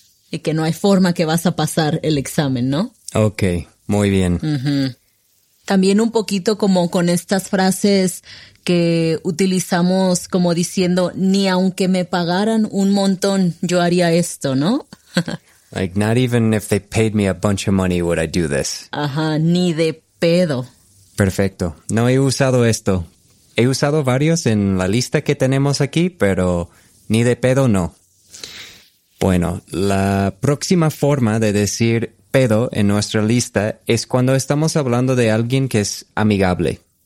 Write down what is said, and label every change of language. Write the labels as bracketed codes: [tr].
[es] Y que no hay forma que vas a pasar el examen, ¿no? Ok, muy bien. Uh-huh. También un poquito como con estas frases que utilizamos como diciendo, ni aunque me pagaran un montón, yo haría esto, ¿no? [en] Like, not even if they paid me a bunch of money would I do this. [es] Ajá, ni de pedo. Perfecto. No he usado esto. He usado varios en la lista que tenemos aquí, pero ni de pedo no. Bueno, la próxima forma de decir pedo en nuestra lista es cuando estamos hablando de alguien que es amigable.